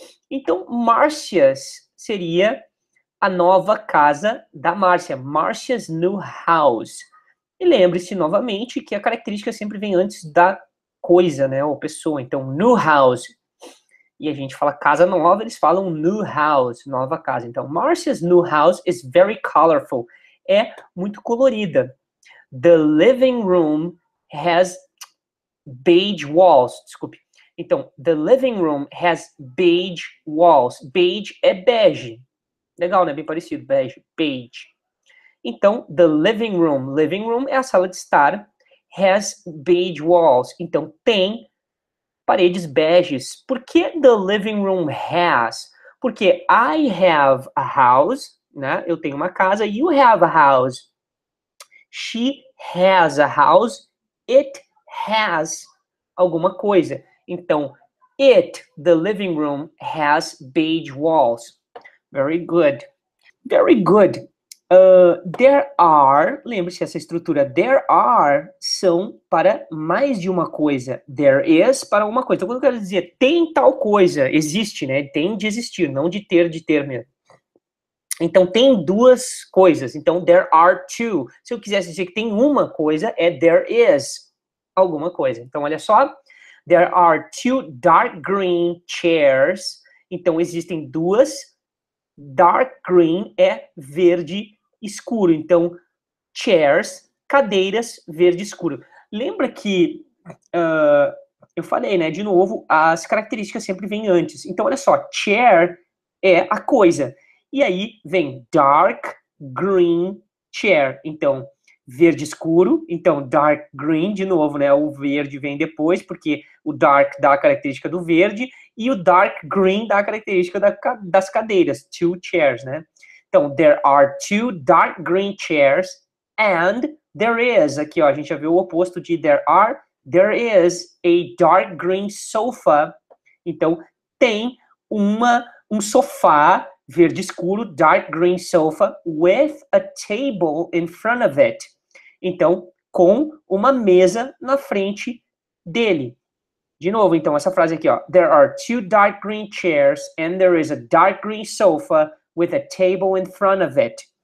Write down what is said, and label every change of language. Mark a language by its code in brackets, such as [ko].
[pt] Então, Marcia's seria a nova casa da Márcia. [en] Marcia's new house. [pt] E lembre-se, novamente, que a característica sempre vem antes da coisa, né? Ou pessoa. Então, [en] new house. [pt] E a gente fala casa nova, eles falam new house, nova casa. [en] Então, Marcia's new house is very colorful. [pt] É muito colorida. [en] The living room has beige walls. [pt] Desculpe. [en] Então, the living room has beige walls. [pt] Beige é bege. Legal, né? Bem parecido. Beige. Beige. [en] Então, the living room. [pt] Living room é a sala de estar. [en] Has beige walls. [pt] Então, tem paredes beiges. Por que [en] the living room has? [pt] Porque [en] I have a house, [pt] né? Eu tenho uma casa. [en] You have a house. She has a house. It has [pt] alguma coisa. [en] Então, it, the living room, has beige walls. Very good. Very good. [pt] There are, lembre-se essa estrutura, [en] there are, [pt] são para mais de uma coisa. [en] There is, [pt] para uma coisa. Então, quando eu quero dizer tem tal coisa, existe, né? Tem de existir, não de ter, de ter mesmo. Então, tem duas coisas. Então, [en] there are two. [pt] Se eu quisesse dizer que tem uma coisa, é there is alguma coisa. Então, olha só. [en] There are two dark green chairs. [pt] Então, existem duas. Dark green é verde escuro. Então, chairs, cadeiras, verde escuro. Lembra que eu falei, né? De novo, as características sempre vêm antes. Então, olha só. Chair é a coisa. E aí vem [en] dark green chair. [pt] Então, verde escuro. Então, [en] dark green, [pt] de novo, né? O verde vem depois, porque o dark dá a característica do verde. E o dark green dá a característica das cadeiras, [en] two chairs, [pt] né? [en] Então, there are two dark green chairs and there is, [pt] aqui ó, a gente já viu o oposto de [en] there are, there is a dark green sofa. [pt] Então, tem um sofá verde escuro, [en] dark green sofa, with a table in front of it. [pt] Então, com uma mesa na frente dele. De novo, então, essa frase aqui, ó. [en] There are two dark green chairs and there is a dark green sofa with a table in front of it.